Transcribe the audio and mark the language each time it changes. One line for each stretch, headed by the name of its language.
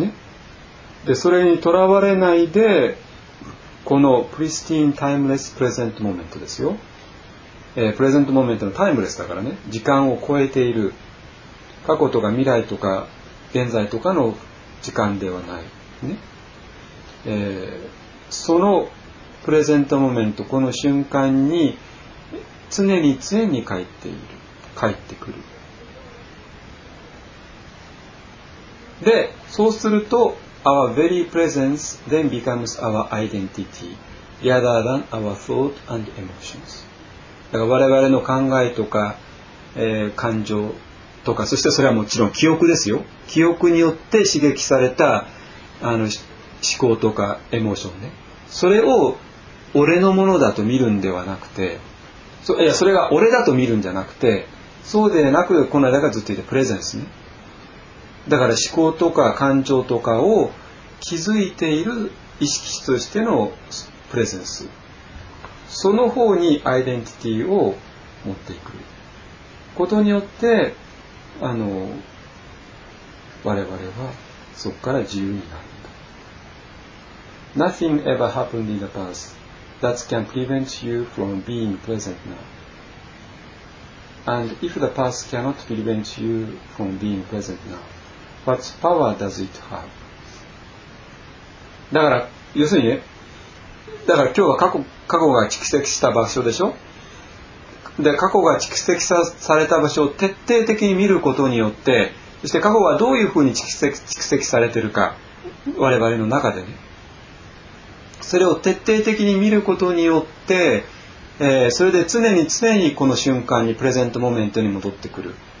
Japanese: ね、でそれにとらわれないで、このプリスティーン・タイムレス・プレゼント・モメントですよ、プレゼント・モメントのタイムレスだからね、時間を超えている過去とか未来とか現在とかの時間ではない、ね、そのプレゼント・モメント、この瞬間に常に常に帰っている、帰ってくる。でそうすると
English: Our very presence then becomes our identity, rather than our thought and emotions.
Japanese: だから我々の考えとか、感情とか、そしてそれはもちろん記憶ですよ。記憶によって刺激されたあの思考とかエモーションね。それを俺のものだと見るんではなくて、いやそれが俺だと見るんじゃなくて、そうでなくこの間がずっと言ってプレゼンスね。だから思考とか感情とかを気づいている意識としてのプレゼンス、その方にアイデンティティを持っていくことによって、あの我々はそこから自由になる。
English: Nothing ever happened in the past that can prevent you from being present now, and if the past cannot prevent you from being present nowWhat power does it have?
Japanese: だから要するにね、だから今日は過去が蓄積した場所でしょ。で過去が蓄積された場所を徹底的に見ることによって、そして過去はどういうふうに蓄積されてるか、我々の中でね、それを徹底的に見ることによって、それで常に常にこの瞬間にプレゼントモメントに戻ってくる。